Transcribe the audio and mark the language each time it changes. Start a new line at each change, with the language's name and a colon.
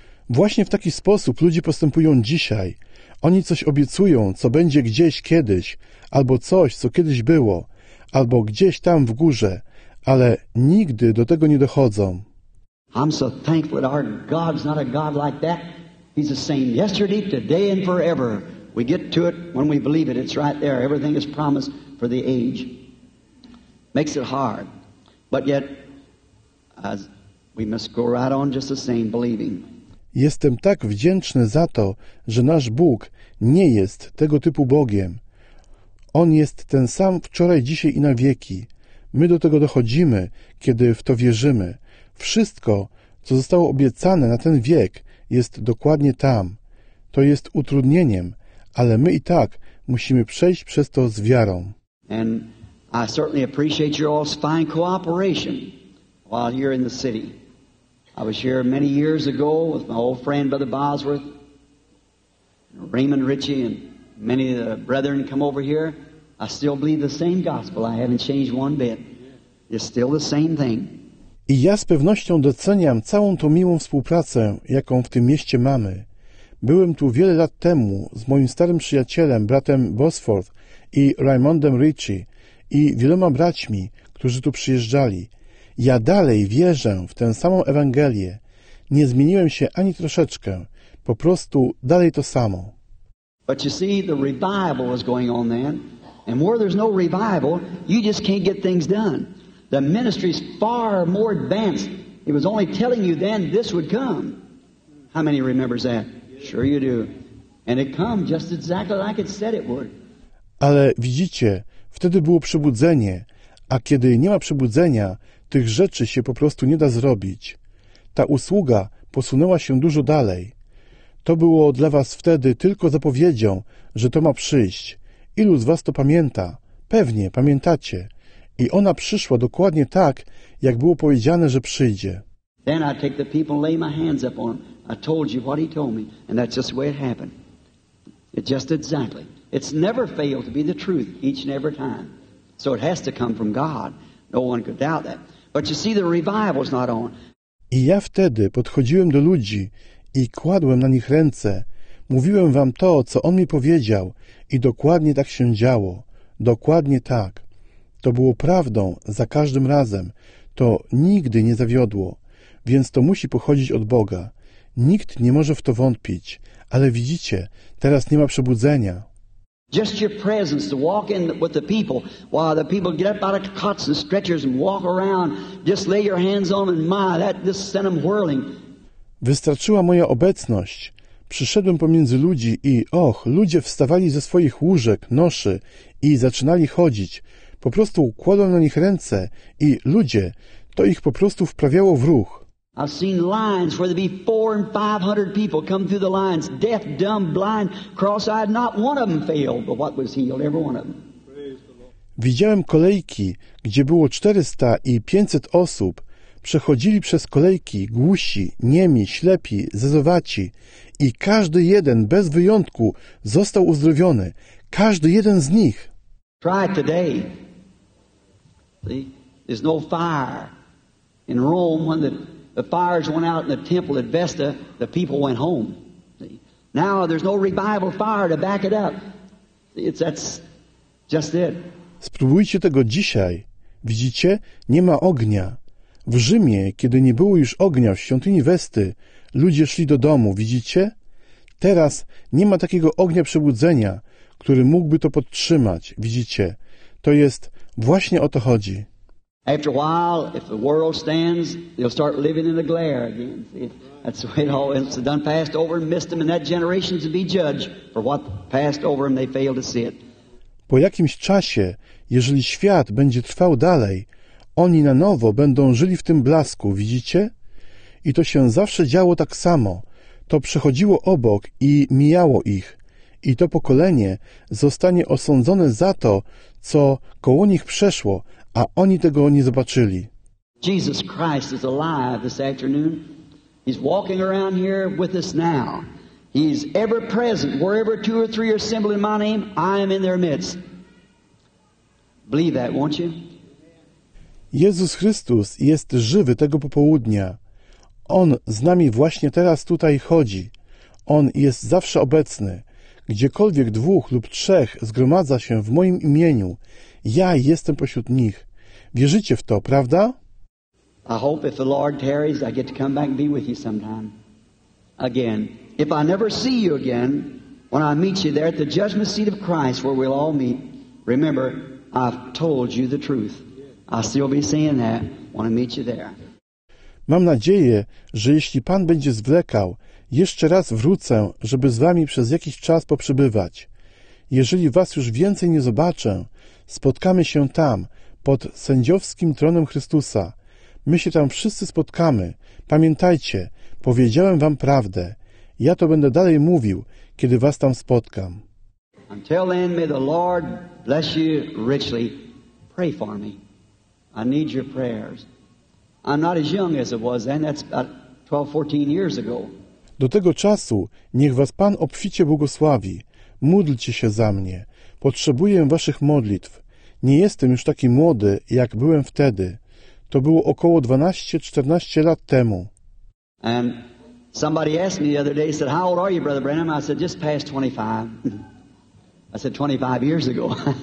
Polish: Właśnie w taki sposób ludzie postępują dzisiaj. Oni coś obiecują, co będzie gdzieś kiedyś, albo coś, co kiedyś było, albo gdzieś tam w górze, ale nigdy do tego nie dochodzą.
English: I'm so thankful that our God's not a God like that. He's the same yesterday, today and forever. We get to it when we believe it. It's right there. Everything is promised for the age. Makes it hard. But yet, as we must go right on just the same, believing.
Polish: Jestem tak wdzięczny za to, że nasz Bóg nie jest tego typu Bogiem. On jest ten sam wczoraj, dzisiaj i na wieki. My do tego dochodzimy, kiedy w to wierzymy. Wszystko, co zostało obiecane na ten wiek, jest dokładnie tam. To jest utrudnieniem, ale my i tak musimy przejść przez to z wiarą.
English: And I certainly appreciate your all's fine cooperation while here in the city. I was here many years ago with my old friend Brother Bosworth, Raymond Ritchie, and many of the brethren come over here. I still believe the same gospel. I haven't changed one bit. It's still the same thing.
Polish: I ja z pewnością doceniam całą tą miłą współpracę, jaką w tym mieście mamy. Byłem tu wiele lat temu z moim starym przyjacielem, bratem Bosworth i Raymondem Ritchie i wieloma braćmi, którzy tu przyjeżdżali. Ja dalej wierzę w tę samą Ewangelię. Nie zmieniłem się ani troszeczkę. Po prostu dalej to samo.
English: But you see, the revival was going on then. And where there's no revival, you just can't get things done. The ministry's far more advanced. It was only telling you then this would come. How many remembers that? Sure you do. And it came just exactly like it said it would.
Polish: Ale widzicie, wtedy było przebudzenie, a kiedy nie ma przebudzenia, tych rzeczy się po prostu nie da zrobić. Ta usługa posunęła się dużo dalej. To było dla was wtedy tylko zapowiedzią, że to ma przyjść. Ilu z was to pamięta? Pewnie, pamiętacie. I ona przyszła dokładnie tak, jak było powiedziane, że przyjdzie.
English: Then I take the people and lay my hands up on them. I told you what he told me, and that's just the way it happened. It just exactly. It's never failed to be the truth each and every time. So it has to come from God. No one could doubt that. But you see, the revival's not on.
Polish: I ja wtedy podchodziłem do ludzi i kładłem na nich ręce. Mówiłem wam to, co on mi powiedział i dokładnie tak się działo. Dokładnie tak. To było prawdą za każdym razem. To nigdy nie zawiodło. Więc to musi pochodzić od Boga. Nikt nie może w to wątpić. Ale widzicie, teraz nie ma przebudzenia.
English: Just your presence to walk in with the people while the people get up out of cots and stretchers and walk around. Just lay your hands on them and my, that just sent them whirling.
Polish: Wystarczyła moja obecność. Przyszedłem pomiędzy ludzi i, och, ludzie wstawali ze swoich łóżek, noszy i zaczynali chodzić. Po prostu kładłem na nich ręce i ludzie, to ich po prostu wprawiało w ruch.
English: I've seen lines where there'd be 400 and 500 people come through the lines, deaf, dumb, blind, cross-eyed, not one of them failed, but what was healed, every one of them.
Polish: Widziałem kolejki, gdzie było 400 i 500 osób. Przechodzili przez kolejki głusi, niemi, ślepi, zezowaci i każdy jeden bez wyjątku został uzdrowiony. Każdy jeden z nich.
English: Try it today. See? There's no fire. In Rome, when the fires went out in the temple at Vesta, the people went home. See? Now there's no revival fire to back it up. That's just it.
Polish: Spróbujcie tego dzisiaj. Widzicie? Nie ma ognia. W Rzymie, kiedy nie było już ognia w świątyni Westy, ludzie szli do domu, widzicie? Teraz nie ma takiego ognia przebudzenia, który mógłby to podtrzymać, widzicie? To jest, właśnie o to chodzi.
English: After a while, if the world stands, they'll start living in the glare again. That's the way it all is. It's done passed over and missed them, and that generation to be judged for what passed over and they failed to see it.
Polish: Po jakimś czasie, jeżeli świat będzie trwał dalej, oni na nowo będą żyli w tym blasku, widzicie? I to się zawsze działo tak samo. To przechodziło obok i mijało ich. I to pokolenie zostanie osądzone za to, co koło nich przeszło, a oni tego nie zobaczyli.
English: Jesus Christ is alive this afternoon. He's walking around here with us now. He's ever present. Wherever two or three are assembled in my name, I am in their midst. Believe that, won't you?
Polish: Jezus Chrystus jest żywy tego popołudnia. On z nami właśnie teraz tutaj chodzi. On jest zawsze obecny. Gdziekolwiek dwóch lub trzech zgromadza się w moim imieniu, ja jestem pośród nich. Wierzycie w to, prawda?
English: I hope if the Lord tarries, I get to come back and be with you sometime. Again. If I never see you again, when I meet you there at the judgment seat of Christ where we'll all meet, remember, I've told you the truth. I'll still be saying that. Want to meet you there.
Polish: Mam nadzieję, że jeśli Pan będzie zwlekał, jeszcze raz wrócę, żeby z wami przez jakiś czas poprzebywać. Jeżeli was już więcej nie zobaczę, spotkamy się tam, pod sędziowskim tronem Chrystusa. My się tam wszyscy spotkamy. Pamiętajcie, powiedziałem wam prawdę. Ja to będę dalej mówił, kiedy was tam spotkam.
English: Until then, may the Lord bless you richly. Pray for me. I need your prayers. I'm not as young as I was then. That's about 12, 14 years ago.
Polish: Do tego czasu niech was Pan obficie błogosławi. Módlcie się za mnie. Potrzebuję waszych modlitw. Nie jestem już taki młody, jak byłem wtedy. To było około 12-14 lat temu.
English: And somebody asked me the other day, he said, how old are you, Brother Branham? I said, just past 25. I said, 25 years ago.